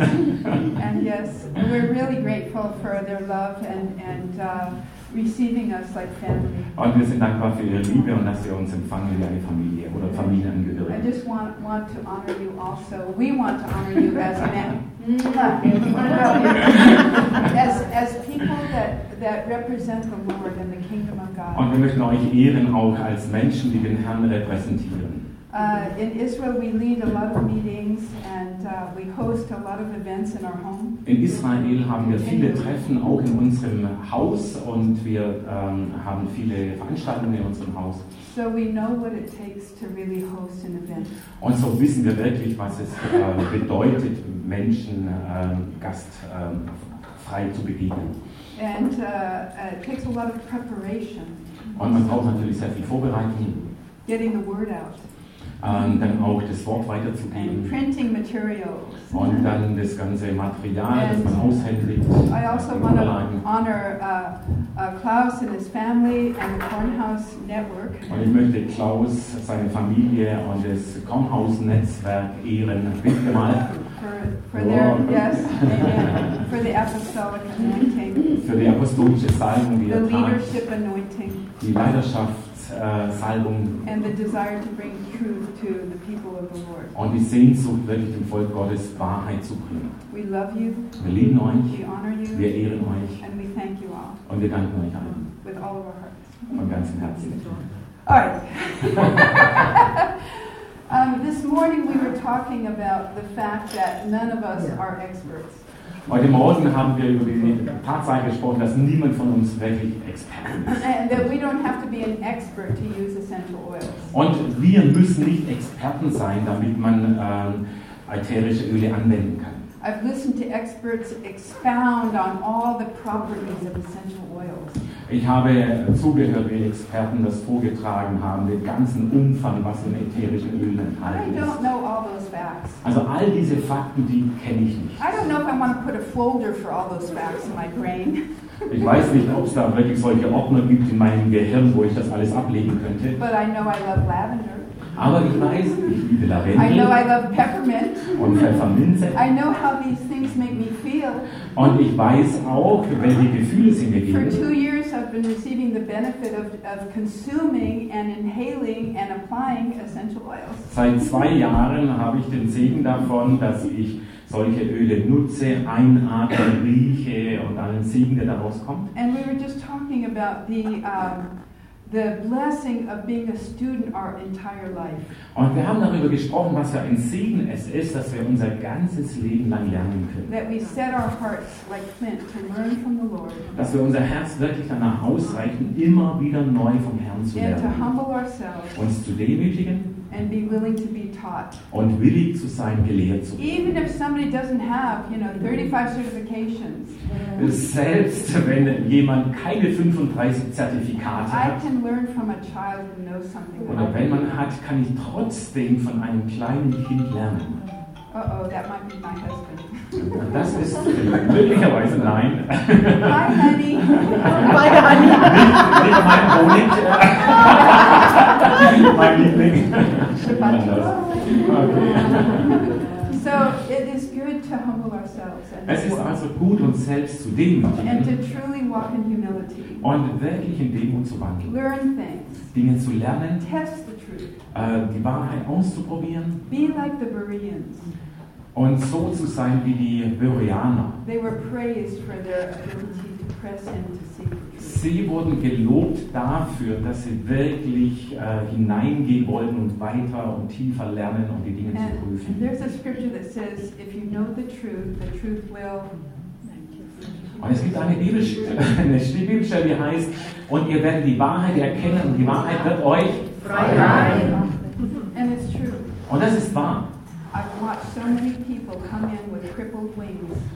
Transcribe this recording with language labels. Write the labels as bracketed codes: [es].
[en] And yes, we're really grateful for their love and receiving us like family. [de] Und wir sind dankbar für ihre Liebe und dass sie uns empfangen wie eine Familie oder Familienangehörige. [en] I just want to honor you also. We want to honor you as men. As people that represent the Lord and the kingdom of God. [de] Und wir möchten euch ehren auch als Menschen, die den Herrn repräsentieren. [en] In Israel we lead a lot of meetings and we host a lot of events in our home. [de] In Israel haben wir viele Treffen auch in unserem Haus und wir haben viele Veranstaltungen in unserem Haus. [en] So we know what it takes to really host an event. [de] Und so wissen wir wirklich, was es bedeutet, Menschen gastfrei zu begegnen. [en] And it takes a lot of preparation. [de] Und man braucht natürlich sehr viel Vorbereitung. [en] Getting the word out. [de] Dann auch das Wort weiterzugeben. [en] And printing materials. [de] Und dann das ganze Material, das man aushändigt. [en] I also want to honor Klaus and his family and the Kornhaus Network. [de] Und ich möchte Klaus, seine Familie und das Kornhaus Netzwerk ehren. Bitte mal. [en] For the apostolic anointing. [de] Für die apostolische Salbung, die er tat. Die Leiterschaft. Salbung. [en] And the desire to bring truth to the people of the Lord. [de] Und die Sehnsucht, wirklich dem Volk Gottes Wahrheit zu bringen. [en] We love you. [de] Wir lieben euch. [en] We honor you. [de] Wir ehren euch. [en] And we thank you all. [de] Und wir danken euch allen. [en] With all of our hearts. [de] Von ganzem Herzen. [en] All right. This morning we were talking about the fact that none of us are experts. [de] Heute Morgen haben wir über die Tatsache gesprochen, dass niemand von uns wirklich Experten ist. Und wir müssen nicht Experten sein, damit man ätherische Öle anwenden kann. [en] I've listened to experts expound on all the properties of essential oils. [de] Ich habe zugehört, wie Experten das vorgetragen haben, den ganzen Umfang, was in ätherischen Ölen enthalten ist. [en] I don't know all those facts. [de] Also all diese Fakten, die kenne ich nicht. [en] I don't know if I want to put a folder for all those facts in my brain. [de] Ich weiß nicht, ob es da wirklich solche Ordner gibt in meinem Gehirn, wo ich das alles ablegen könnte. [en] But I know I love lavender. [de] Aber ich weiß, ich liebe Lavendel. [en] I know I love peppermint. [de] Und Pfefferminze. [en] I know how these things make me feel. [de] Und ich weiß auch, welche Gefühle sie mir geben. [en] For 2 years I've been receiving the benefit of consuming and inhaling and applying essential oils. [de] Seit 2 Jahren habe ich den Segen davon, dass ich solche Öle nutze, einatme, rieche und allen Segen, der daraus kommt. [en] And we were just talking about the blessing of being a student our entire life. [de] Und wir haben darüber gesprochen, was für ein Segen es ist, dass wir unser ganzes Leben lang lernen können. [en] That we set our hearts like flint to learn from the Lord. [de] Dass wir unser Herz wirklich danach ausrichten, immer wieder neu vom Herrn zu lernen. [en] And to humble ourselves. [de] Uns zu demütigen. [en] And be willing to be taught. [de] Und willig zu sein, gelehrt zu werden. [en] Even if somebody doesn't have, you know, 35 certifications. [de] Selbst wenn jemand keine 35 Zertifikate hat. [en] I can learn from a child who knows something. [de] Oder wenn man hat, kann ich trotzdem von einem kleinen Kind lernen. [en] Uh-oh, that might be my husband. [de] Das ist möglicherweise nein. [en] Hi, honey. Hi, honey. [de] Nicht mein Honig. Mein Liebling. Okay. [en] So, it is good to humble ourselves. And [de] es ist also gut, uns selbst zu demütigen. [en] And to truly walk in humility. [de] Und wirklich in Demut zu wandeln. [en] Learn things. [de] Dinge zu lernen. [en] Test the truth. [de] Die Wahrheit auszuprobieren. [en] Be like the Bereans. [de] Und so zu sein wie die Bereaner. [en] They were praised for their ability to press in to see the truth. [de] Sie wurden gelobt dafür, dass sie wirklich hineingehen wollten und weiter und tiefer lernen und die Dinge [en] and [de] zu prüfen. [en] And there's a scripture that says, if you know the truth will... [de] Und es gibt eine Bibelstelle, die heißt, und ihr werdet die Wahrheit erkennen und die Wahrheit wird euch frei machen. [en] And it's true. [de] Und das ist wahr. [en] I've watched so many people come in with crippled wings.